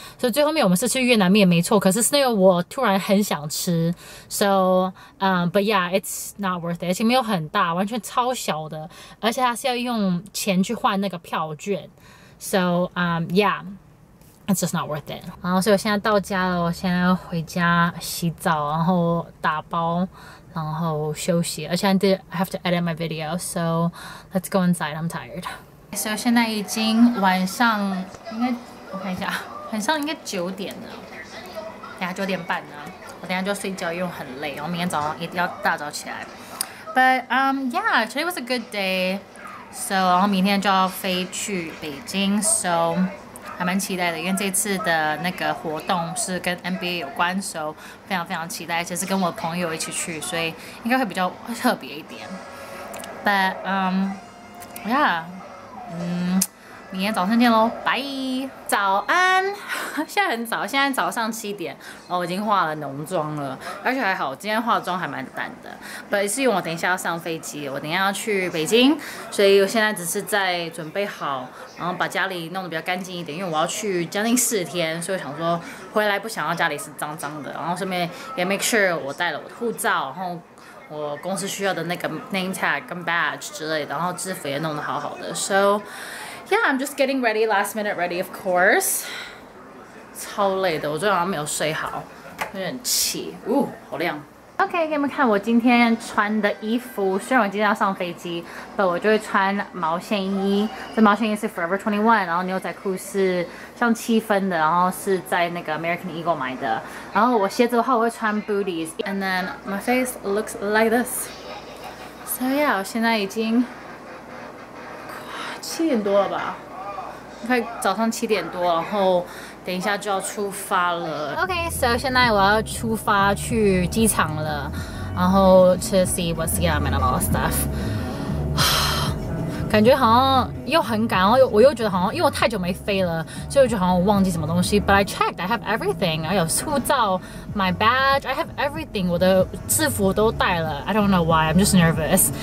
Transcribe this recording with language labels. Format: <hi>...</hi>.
<zh>所以最后面我们是吃越南面没错，可是是那个我突然很想吃 ， so but yeah it's not worth it，而且没有很大，完全超小的，而且它是要用钱去换那个票券 ， so yeah。</zh> <en>It's just not worth it.</en> <zh>然后所以我现在到家了，我现在要回家洗澡，然后打包，然后休息。</zh> <en>而且 I have to edit my video, so let's go inside. I'm tired.</en> <zh>So 现在已经晚上，应该我看一下，晚上应该九点了，等下九点半呢，我等下就要睡觉，因为很累，然后明天早上一定要大早起来。</zh> <en>But yeah, today was a good day.</en> <zh>So 然后明天就要飞去北京 ，so. 还蛮期待的，因为这次的那个活动是跟 NBA 有关，所以非常非常期待，而且是跟我朋友一起去，所以应该会比较特别一点。 But yeah，明天早上见咯，拜，早安。现在很早，现在早上七点，我已经化了浓妆了，而且还好，今天化妆还蛮淡的。 But 是因为我等一下要上飞机，我等一下要去北京，所以我现在只是在准备好，然后把家里弄得比较干净一点，因为我要去将近四天，所以我想说回来不想要家里是脏脏的，然后顺便也 make sure 我带了我的护照，然后我公司需要的那个 name tag 跟 badge 之类的，然后制服也弄得好好的。</zh> <en>So yeah, I'm just getting ready, last minute ready, of course.</en> <zh>超累的，我昨天晚上没有睡好，有点气，哦，好亮。 OK， 给你们看我今天穿的衣服。虽然我今天要上飞机，但我就会穿毛线衣。这毛线衣是 Forever 21， 然后牛仔裤是像七分的，然后是在那个 American Eagle 买的。然后我鞋子的话，我会穿 booties。</zh> <en>And then my face looks like this.</en> <zh>So yeah， 我现在已经七点多了吧，快早上七点多，然后。等一下就要出发了。</zh> <en>OK， so 现在我要出发去机场了，然后 to see what's going on and a lot of stuff。</en> <zh>感觉好像又很赶，然后我又觉得好像因为我太久没飞了，所以我就好像我忘记什么东西。</zh> <en>But I checked, I have everything. 我有护照，my badge, I have everything. 我的制服都带了。 I don't know why, I'm just nervous.</en>